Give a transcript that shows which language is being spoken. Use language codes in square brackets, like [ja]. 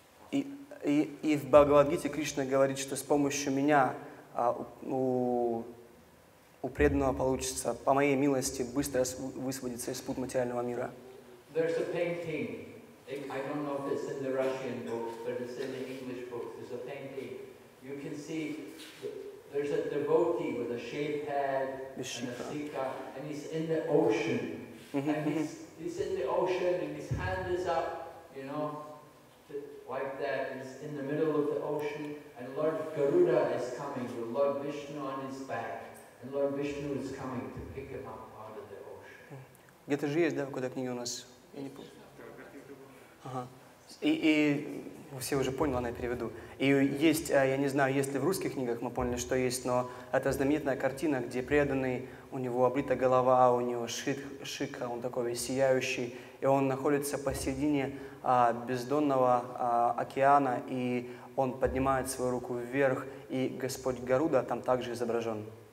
[ru] И в Бхагавад-гите Кришна говорит, что с помощью меня у преданного получится, по моей милости, быстро высвободиться из пут материального мира. [en] There's a painting. I don't know if it's in the Russian books, but it's in the English books. There's a painting. You can see there's a devotee with a shaved head and a sikha, and he's in the ocean. And he's in the ocean, and his hand is up, you know, like that, he's in the middle of the ocean, and Lord Garuda is coming with Lord Vishnu on his back, and Lord Vishnu is coming to pick him up out of the ocean. [ru] Где-то же есть, да, куда книги у нас? Я не помню. И все уже поняли, я переведу. И есть, я не знаю, есть ли в русских книгах, мы поняли, что есть, но это знаменитая картина, где преданный, у него обрита голова, у него шика, он такой весь сияющий, и он находится посередине бездонного океана, и он поднимает свою руку вверх, и Господь Гаруда там также изображен.